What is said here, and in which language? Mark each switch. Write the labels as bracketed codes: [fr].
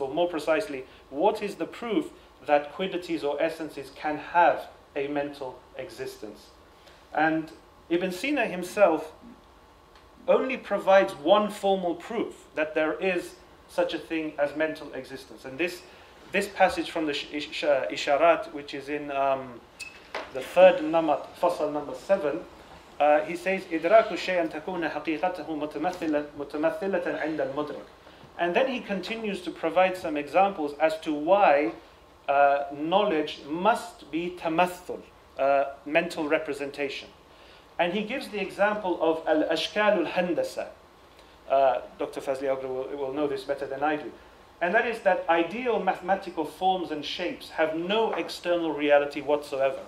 [en] Or more precisely, what is the proof that quiddities or essences can have a mental existence? And Ibn Sina himself only provides one formal proof that there is such a thing as mental existence. And this passage from the Isharat, which is in the third namat, fasal number 7, he says, [ar] إِدْرَاكُ شَيْءًا تَكُونَ حَقِيقَتَهُ مُتَمَثِلَةً عِنْدَ الْمُدْرِكِ. [en] And then he continues to provide some examples as to why knowledge must be tamathul, mental representation. And he gives the example of al-ashkal al-handasa. Dr. Fazli Agra will know this better than I do. And that is that ideal mathematical forms and shapes have no external reality whatsoever.